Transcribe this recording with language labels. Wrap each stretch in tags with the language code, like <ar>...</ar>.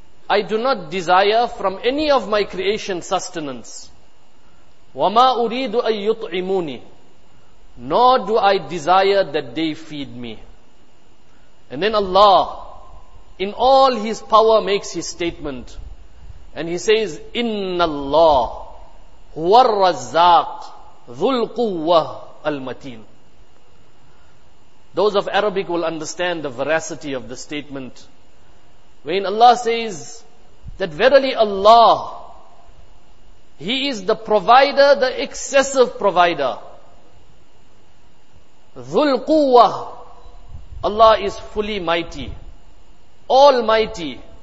<en>I do not desire from any of my creation sustenance.</en> <ar>وَمَا أُرِيدُ أَن يُطْعِمُونِ.</ar> <en>Nor do I desire that they feed me. And then Allah, in all His power, makes His statement. And He says,</en> <ar>إِنَّ اللَّهُ هُوَ الرَّزَّاقُ ذُو الْقُوَّةِ الْمَتِينَ.</ar> <en>Those of Arabic will understand the veracity of the statement. When Allah says that verily Allah, He is the provider, the excessive provider. Dhul Quwwah. Allah is fully mighty, almighty.</en>